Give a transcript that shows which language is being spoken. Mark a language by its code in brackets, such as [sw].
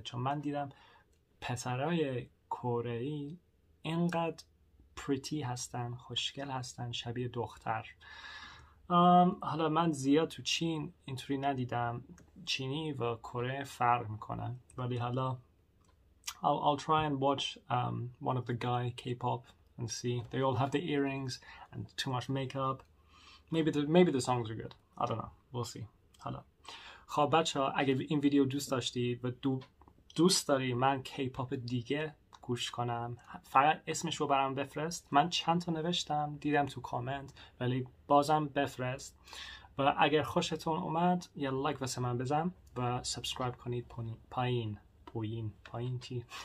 [fa] چون من دیدم پسرای کره‌ای اینقدر پریتی هستن، خوشگل هستن، شبیه دختر. حالا من زیاد تو چین اینطوری ندیدم. چینی و کره فرق میکنن. ولی حالا [en] I'll try and watch one of the guy K-pop and see. They all have the earrings and too much makeup. Maybe the songs are good. I don't know. We'll see. [fa] حالا خب بچه ها اگه این ویدیو دوست داشتید و دوست داری من K-pop دیگه گوش کنم، فقط اسمش رو برام بفرست. من چند تا نوشتم دیدم تو کامنت، ولی بازم بفرست. و اگر خوشتون اومد یه لایک واسه من بزن و سابسکرایب کنید پایین تی.